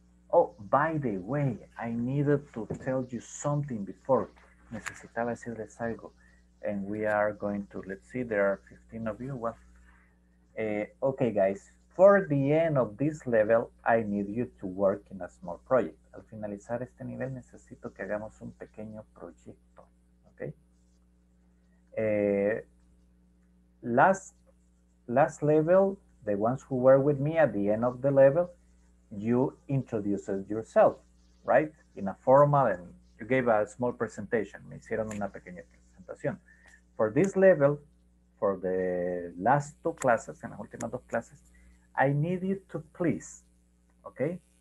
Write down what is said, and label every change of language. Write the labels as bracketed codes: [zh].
[en] Oh, by the way, I needed to tell you something before. [es] Necesitaba decirles algo. [en] And we are going to, let's see, there are 15 of you. Well, okay, guys, for the end of this level, I need you to work in a small project. [es] Al finalizar este nivel, necesito que hagamos un pequeño proyecto. [en] Okay? Last level, the ones who were with me at the end of the level, you introduced yourself, right? In a formal, and you gave a small presentation. [es] Me hicieron una pequeña presentación. [en] For this level, for the last two classes, [es] en las últimas dos clases, [en] I need you to please, okay?